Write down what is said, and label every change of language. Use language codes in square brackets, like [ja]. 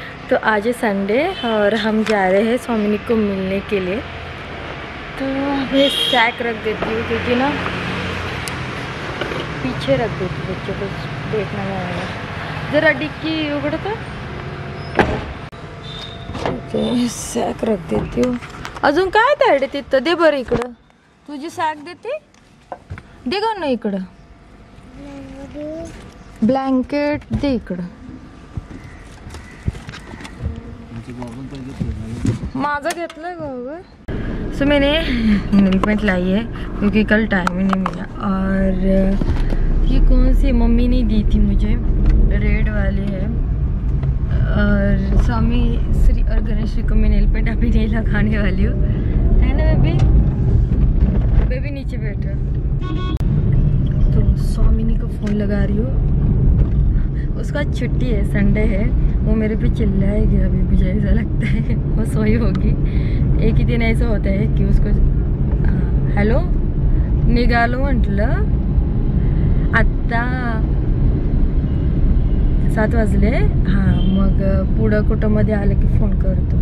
[hi] तो आज है संडे और हम जा रहे हैं सोमिनी को मिलने के लिए। तो मैं स्टैक रख देती हूँ, क्योंकि ना पीछे रख देती हूँ, बच्चों को देखना है ज़रा डिक्की उगड़ता। सैक रख देती हूँ। [mr] अजून काय तयड तिथं दे बरं, इकडं तुझी सॅक देती दे गं ना, इकडं ब्लँकेट दे, इकडं माझं घेतलंय बाबा। [hi] सो मैंने हेलमेट लाई है क्योंकि कल टाइम ही नहीं मिला। और ये कौन सी मम्मी ने दी थी मुझे, रेड वाली है। और स्वामी श्री और गणेश जी को मैं नेल पेंट अभी नहीं लगाने वाली हूँ, है ना बेबी? बेबी नीचे बैठो। तो स्वामिनी को फ़ोन लगा रही हूँ, उसका छुट्टी है, संडे है। वो मेरे पे चिल्लाएगी अभी, मुझे ऐसा लगता है वो सोई होगी। एक ही दिन ऐसा होता है कि उसको [mr] हेलो निघालो म्हटलं, आत्ता 7 वाजले, हाँ मग पुढं कुठंमध्ये आलं की फोन करतो।